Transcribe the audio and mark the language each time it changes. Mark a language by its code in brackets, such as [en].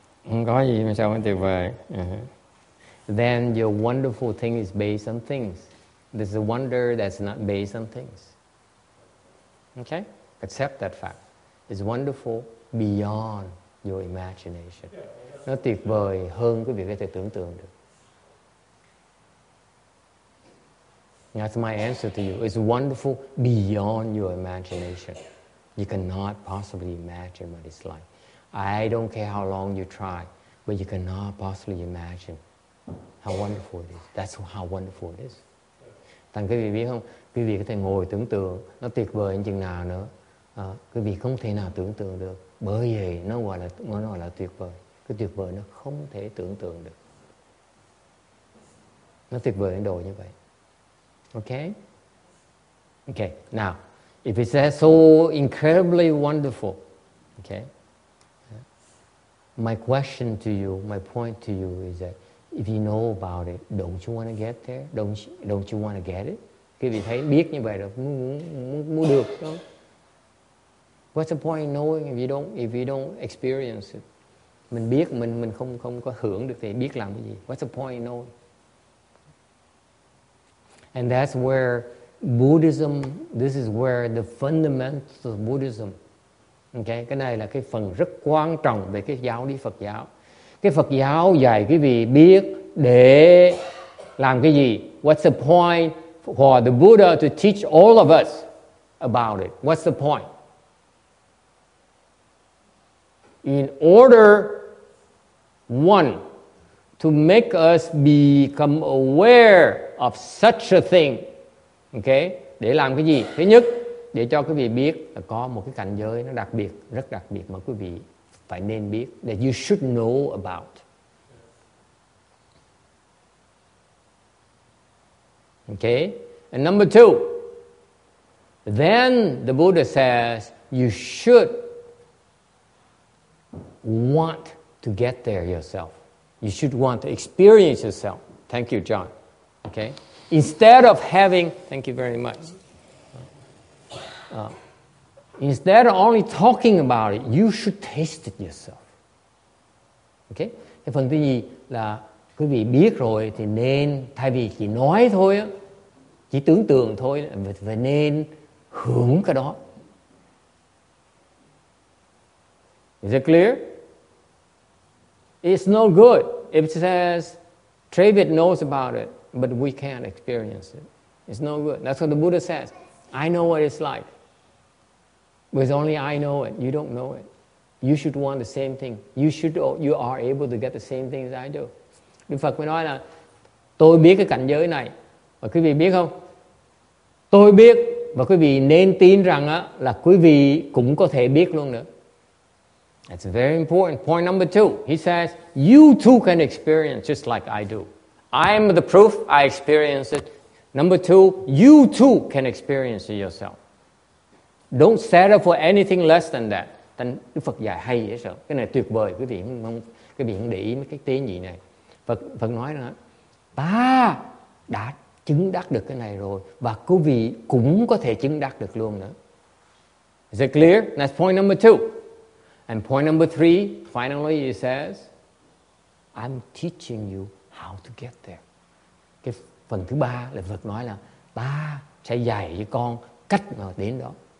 [vi] Không có gì mà sao tuyệt vời. [en] Then your wonderful thing is based on things. There's a wonder that's not based on things. Okay? Accept that fact. It's wonderful beyond your imagination. Yeah, [vi] nó tuyệt vời hơn cái việc có thể tưởng tượng được. [en] That's my answer to you. It's wonderful beyond your imagination. You cannot possibly imagine what it's like. I don't care how long you try, but you cannot possibly imagine how wonderful it is. That's how wonderful it is. [vi] Thành quý vị biết không? Quý vị có thể ngồi tưởng tượng, nó tuyệt vời như chừng nào nữa. Quý vị không thể nào tưởng tượng được. Bởi vì nó gọi là tuyệt vời. Cái tuyệt vời nó không thể tưởng tượng được. Nó tuyệt vời đến độ như vậy. [en] Okay? Okay, now, if it's so incredibly wonderful, okay? My question to you, my point to you is that if you know about it, don't you want to get there? Don't you want to get it? [vi] Quý vị thấy biết như vậy là muốn được không? [en] What's the point knowing if you don't experience it? [vi] Mình biết mình không có hưởng được thì biết làm cái gì? [en] What's the point knowing? And that's where Buddhism, this is where the fundamentals of Buddhism. [vi] Okay, cái này là cái phần rất quan trọng về cái giáo lý Phật giáo. Cái Phật giáo dạy cái gì biết để làm cái gì? [en] What's the point for the Buddha to teach all of us about it? What's the point? In order, one, to make us become aware of such a thing. Okay? [vi] Để làm cái gì? Thứ nhất, để cho quý vị biết là có một cái cảnh giới nó đặc biệt, rất đặc biệt mà quý vị phải nên biết. [en] That you should know about. Okay? And number two, then the Buddha says you should want to get there yourself. You should want to experience yourself. Thank you, John. Okay? Instead of having, thank you very much. Instead of only talking about it, you should taste it yourself. Okay? [vi] Thế phần thứ nhì là quý vị biết rồi thì nên thay vì chỉ nói thôi, chỉ tưởng tượng thôi, phải nên hưởng cái đó. [en] Is it clear? It's no good. It says, Travis knows about it, but we can't experience it. It's no good. That's what the Buddha says. I know what it's like. But only I know it. You don't know it. You should want the same thing. You are able to get the same thing as I do. [vi] Đức Phật mới nói là tôi biết cái cảnh giới này. Và quý vị biết không? Tôi biết và quý vị nên tin rằng á, là quý vị cũng có thể biết luôn nữa. [en] That's very important. Point number two. He says, you too can experience just like I do. I am the proof. I experience it. Number two, you too can experience it yourself. Don't settle for anything less than that. [vi] Thành Đức Phật dạy hay vậy sao? Cái này tuyệt vời. Quý vị không, quý vị không để ý mấy cái tiếng gì này. Phật nói là ta đã chứng đắc được cái này rồi và quý vị cũng có thể chứng đắc được luôn nữa. [en] Is it clear? That's point number two. And point number three, finally he says, I'm teaching you how to get there. [vi] Cái phần thứ ba là Phật nói là ta sẽ dạy cho con cách mà đến đó.